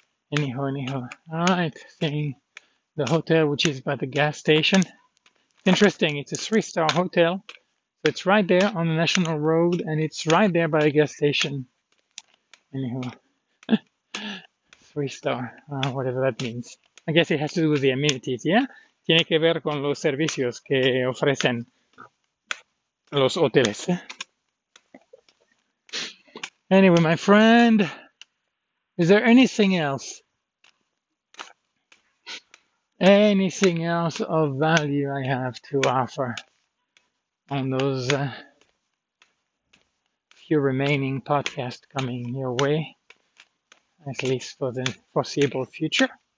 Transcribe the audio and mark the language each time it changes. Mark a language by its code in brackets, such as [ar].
[en] All right, seeing the hotel, which is by the gas station. Interesting, it's a three-star hotel. So it's right there on the national road, and it's right there by the gas station. Anyhow, three-star, whatever that means. I guess it has to do with the amenities, yeah? [es] Tiene que ver con los servicios que ofrecen los hoteles. [en] Anyway, my friend, is there anything else? Anything else of value I have to offer on those few remaining podcasts coming your way, at least for the foreseeable future?